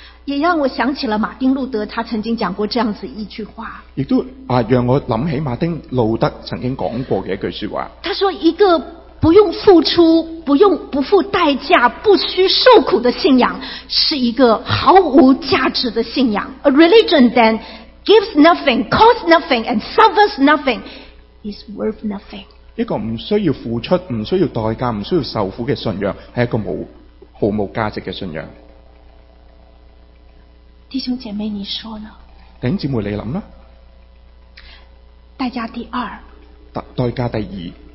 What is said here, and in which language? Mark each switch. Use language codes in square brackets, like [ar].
[zh] 也让我想起了马丁路德，他曾经讲过这样子一句话，也都让我想起马丁路德曾经讲过的一句话。他说一个不用付出，不用不付代价，不需受苦的信仰是一个毫无价值的信仰。 [en] A religion thenGives nothing, costs nothing, and suffers nothing is worth nothing. [zh] 一个不需要付出，不需要代价，不需要受苦的信仰，是一个毫无价值的信仰。弟兄姐妹，你说呢？弟兄姐妹，你想呢？代价第二。代价第二。